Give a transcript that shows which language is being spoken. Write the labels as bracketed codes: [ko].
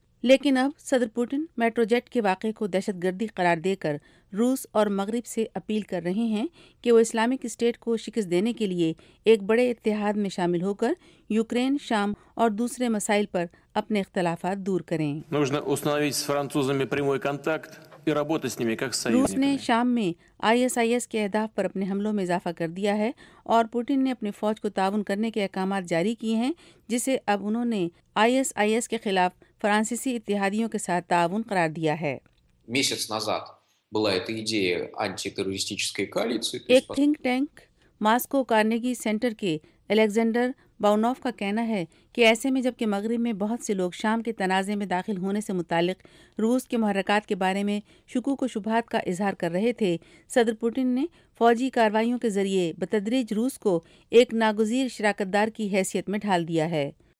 [ur] لیکن اب صدر پوٹن میٹرو جیٹ کے واقعے کو دہشت گردی قرار دے کر روس اور مغرب سے اپیل کر رہے ہیں کہ وہ اسلامک اسٹیٹ کو شکست دینے کے لیے ایک بڑے اتحاد میں شامل ہو کر یوکرین، شام اور دوسرے مسائل پر اپنے اختلافات دور کریں. [ru] нужно установить с французами прямой контакт и работать с ними как союзниками. [ur] روس نے شام میں ISIS کے اہداف پر اپنے حملوں میں اضافہ کر دیا ہے اور پوٹن نے اپنی فوج کو تعاون کرنے کے احکامات جاری کیے ہیں جسے اب انہوں نے ISIS کے خلاف فرانسیسی اتحادیوں کے ساتھ تعاون قرار دیا ہے. ایک تھنک ٹینک ماسکو کارنگی سینٹر کے الیگزینڈر باؤنوف کا کہنا ہے کہ ایسے میں جبکہ مغرب میں بہت سے لوگ شام کے تنازع میں داخل ہونے سے متعلق روس کے محرکات کے بارے میں شکوک و شبہات کا اظہار کر رہے تھے، صدر پوٹن نے فوجی کارروائیوں کے ذریعے بتدریج روس کو ایک ناگزیر شراکت دار کی حیثیت میں ڈھال دیا ہے.